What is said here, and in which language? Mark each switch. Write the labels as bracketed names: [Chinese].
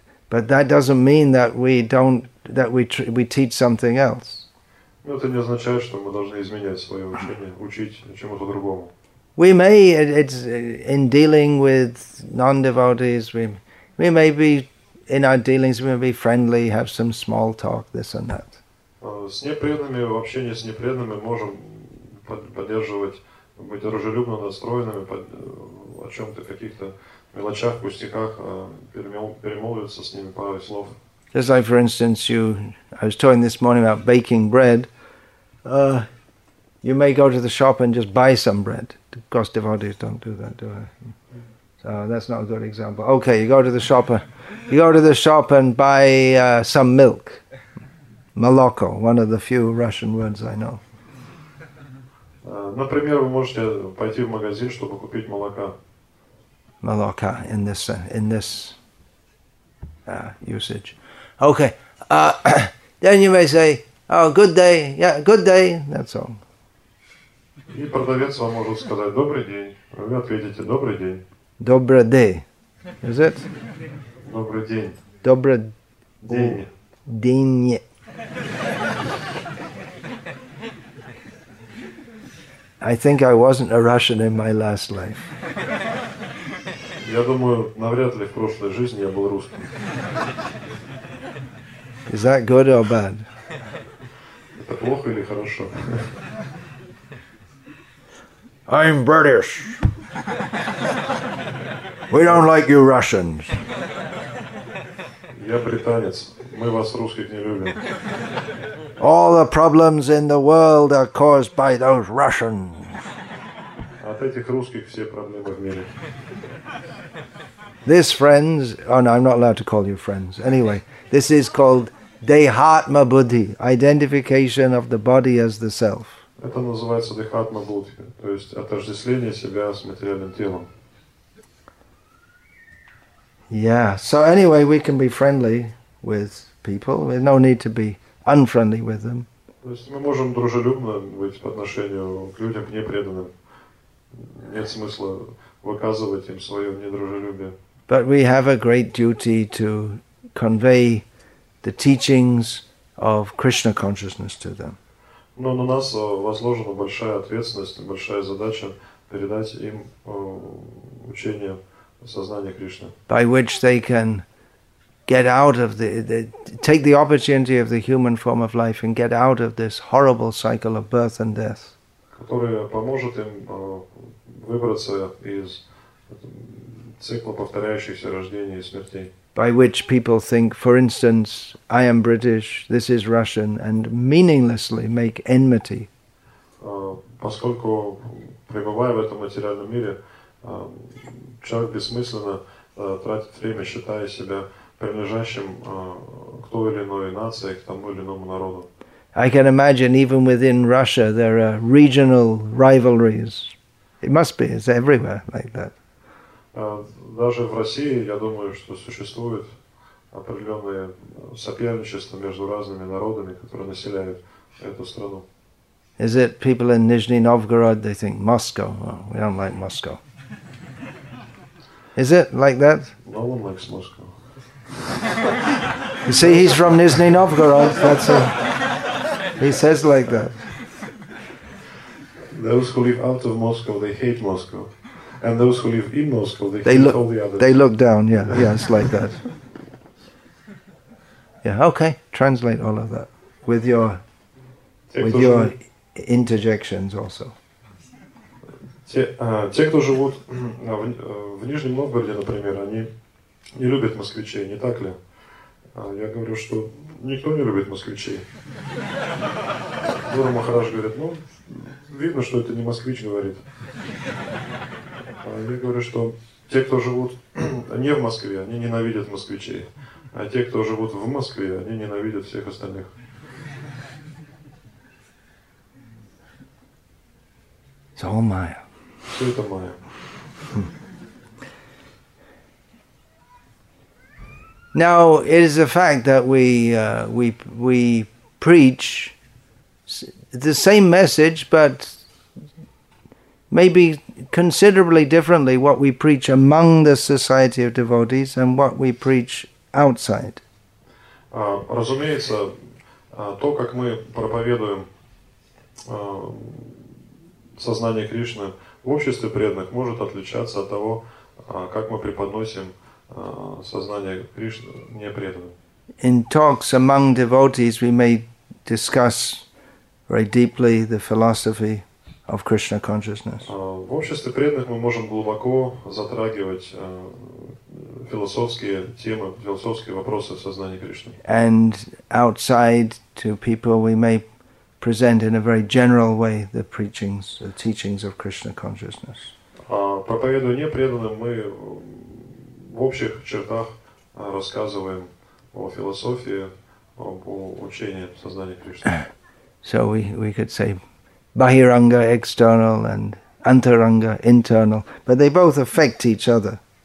[English] But that doesn't mean that we teach something else. [Russian] Но это не означает, что мы должны изменять свое учение, учить чему-то другому. [English] We may, it's in dealing with non-devotees, we may be in our dealings, we may be friendly, have some small talk, this and that. [Russian] С непреданными, в общении с непреданными можем поддерживать, быть дружелюбно настроенными, о чем-то, каких-то мелочах, пустяках, перемолвиться с ними пару слов. [English] Just like, for instance, I was talking this morning about baking bread. You may go to the shop and just buy some bread. Of course, devotees don't do that, do they? So that's not a good example. Okay, you go to the shop and buy some milk. Moloko, one of the few Russian words I know. [Russian] Например, вы можете пойти в магазин, чтобы купить молока. [English] Moloka in this usage. Okay. Then you may say, "Oh, good day. Yeah, good day." That's all. [Russian] И продавец вам может сказать добрый день. Вы ответите добрый день. Добрый день. [English] Is it? [Russian] Добрый день. Добрый день. День. [English] I think I wasn't a Russian in my last life. [Russian] Я думаю, навряд ли в прошлой жизни я был русским. [English] Is that good or bad? [Russian] Это плохо или хорошо? [English] I'm British. We don't like you Russians. [Russian] Я британец. Мы вас русских не любим. [English] All the problems in the world are caused by those Russians. [Russian] От этих русских все проблемы в мире. [English] This friends, oh no, I'm not allowed to call you friends. Anyway, this is called Dehatma Buddhi, identification of the body as the self. [Russian] Это называется Dehatma Buddhi, то есть отождествление себя с материальным телом. [English] Yeah, so anyway, we can be friendly with people. There's no need to be unfriendly with them. [Russian] То есть мы можем дружелюбно быть по отношению к людям, к непреданным. Нет смысла выказывать им свое недружелюбие. [English] But we have a great duty to convey the teachings of Krishna consciousness to them. [Russian] Но на нас возложена большая ответственность, большая задача передать им учение сознания Кришны. [English] By which they can get out of take the opportunity of the human form of life and get out of this horrible cycle of birth and death. [Russian] Которая поможет им выбраться из цикла повторяющихся рождений и смертей. [English] By which people think, for instance, I am British, this is Russian, and meaninglessly make enmity. [Russian] Поскольку, пребывая в этом материальном мире, человек бессмысленно тратит время, считая себя принадлежащим к той или иной нации, к тому или иному народу. [English] I can imagine even within Russia there are regional rivalries. It must be, it's everywhere like that. [Russian] Даже в России, я думаю, что существует определенное соперничество между разными народами, которые населяют эту страну. [English] Is it people in Nizhny Novgorod, they think Moscow? Well, we don't like Moscow. Is it like that? No one likes Moscow. You see, he's from Nizhny Novgorod, that's a... He says like that. Those who live out of Moscow, they hate Moscow. And those who live in Moscow, they hate all the others. They look down, yeah, it's like that. Yeah, okay, translate all of that with your interjections also. [Russian] Те, кто живут в Нижнем Новгороде, например, они не любят москвичей, не так ли? Я говорю, что никто не любит москвичей. Гуру Махарадж говорит, ну, видно, что это не москвич говорит. Я говорю, что Те, кто живут не в Москве, они ненавидят москвичей. А те, кто живут в Москве, они ненавидят всех остальных. [English] It's all Maya. [Russian] Все это Maya. [English] Now, it is a fact that we preach the same message, but maybe considerably differently what we preach among the society of devotees and what we preach outside. [Russian] Разумеется, то, как мы проповедуем сознание Кришны в обществе преданных, может отличаться от того, как мы преподносим сознание Кришны не преданным. [English] In talks among devotees, we may discuss very deeply the philosophy of Krishna consciousness. [Russian] В обществе преданных мы можем глубоко затрагивать философские темы, философские вопросы сознания Кришны. [English] And outside to people, we may present in a very general way the preachings, the teachings of Krishna consciousness. [Russian] Проповедуя непреданным, мы в общих чертах рассказываем о философии, об учении сознания Кришны. [English] So we could say Bahiranga external and Antaranga internal, but they both affect each other.